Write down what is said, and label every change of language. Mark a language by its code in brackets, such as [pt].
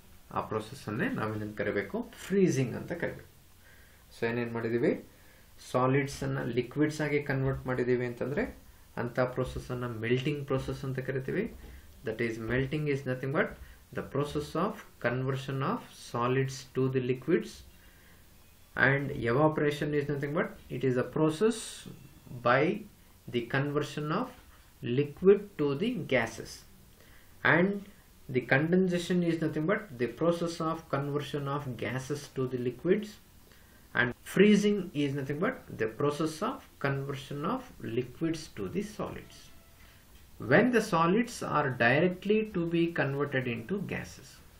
[kn] Aa process anne navu nen karibeku freezing anta karibeku. So enen madidivi, solids anna liquids age convert madidivi antandre ಅಂತ ಪ್ರೊಸೆಸ್ಸನ್ನು melting process ಅಂತ ಕರಿತೀವಿ. [en] That is melting is nothing but the process of conversion of solids to the liquids. And evaporation is nothing but it is a process by the conversion of liquid to the gases. And the condensation is nothing but the process of conversion of gases to the liquids. And freezing is nothing but the process of conversion of liquids to the solids. When the solids are directly to be converted into gases.